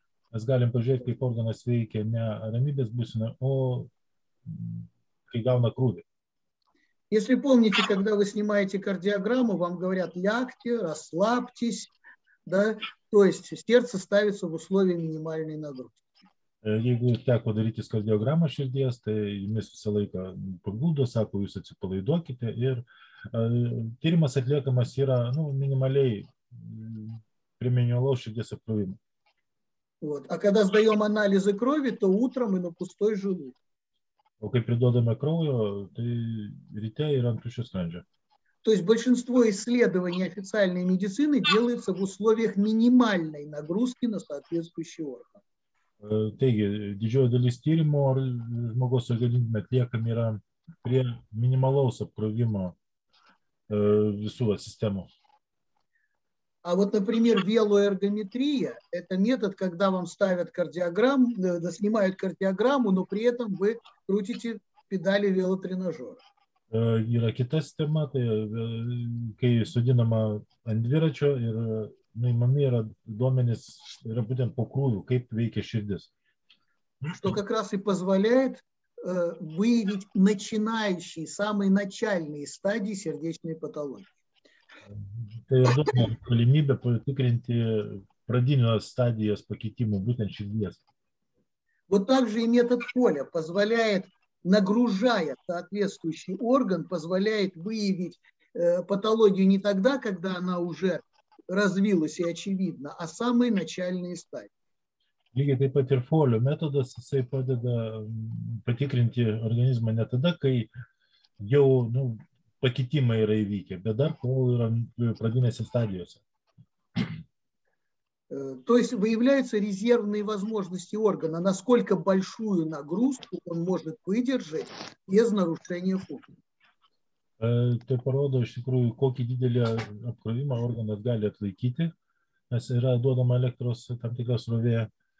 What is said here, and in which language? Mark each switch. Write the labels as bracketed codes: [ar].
[ru] Мы можем посмотреть, как орган действует не [lt] рамибес бусина, [ru] а когда нагрузка. Если помните, когда вы снимаете кардиограмму, вам говорят, лягте, расслабьтесь, да? То есть сердце ставится в условии минимальной нагрузки. [lt] Jeigu teko daryti kardiogramą širdies, tai jis visą laiką paguldo, sako, jūs atsipalaiduokite ir tyrimas atliekamas yra nu, minimaliai prie minimalaus širdies apkrovimo. [ru] Вот. А когда сдаем анализы крови, то утром и на пустой желудок. [lt] O kai priduodame kraujo, tai ryte ir ant tuščio skrandžio. [ru] То есть большинство исследований официальной медицины делается в условиях минимальной нагрузки на соответствующий орган. [lt] Taigi, didžioji dalis tyrimo žmogaus organizme atliekami yra prie minimalaus apkrovimo visų sistemų. [ru] А вот, например, велоэргометрия – это метод, когда вам ставят кардиограмму, да, снимают кардиограмму, но при этом вы крутите педали велотренажера. [lt] Yra kita sistema, tai kai sudinama ant dviračio ir naimami yra duomenys, yra būtent po krūvių, kaip veikia širdis. [ru] Что как раз и позволяет выявить начинающие, самые начальные стадии сердечной патологии. [lt] Tai yra galimybė patikrinti pradinės stadijos pakeitimų, būtent širdies. [ru] Вот также и метод Коля позволяет, нагружая соответствующий орган, позволяет выявить патологию не тогда, когда она уже развилась и очевидна, а самые начальные стадии. [lt] Lygiai taip pat ir folio metodas, jisai padeda patikrinti organizmą ne tada, kai jau nu, pakitimai yra įvykę, bet dar kol yra pradinėse stadijose. [ru] То есть выявляются резервные возможности органа, насколько большую нагрузку он может выдержать без нарушения функции. [lt] Tai parodo, iš tikrųjų, kokį didelį apkrovimą organas gali atlaikyti, nes yra duodama elektros tam tikra srovė.